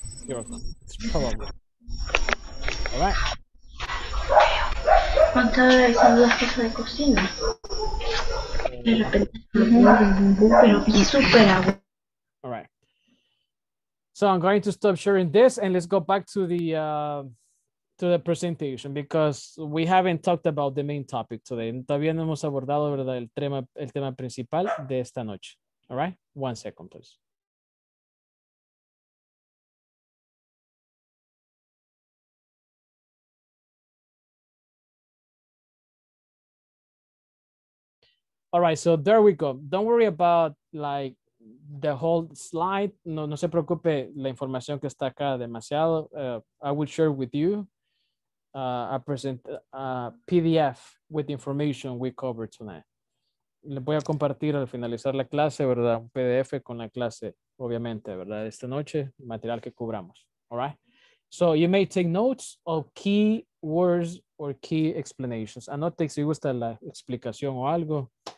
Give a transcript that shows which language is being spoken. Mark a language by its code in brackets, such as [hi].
[en] You're welcome. It's probably. All right. All right. So I'm going to stop sharing this and let's go back to the presentation because we haven't talked about the main topic today. [es] Todavía no hemos abordado, ¿verdad?, el tema principal de esta noche. [en] All right. One second, please. All right, so there we go. Don't worry about like the whole slide. [es] No, no se preocupe la información que está acá demasiado. [en] I will share with you a present a PDF with the information we covered tonight. [es] Le voy a compartir al finalizar la clase, ¿verdad? Un PDF con la clase, obviamente, ¿verdad? Esta noche, material que cubramos. [en] All right. So you may take notes of key words or key explanations. [es] Anote si gusta la explicación o algo.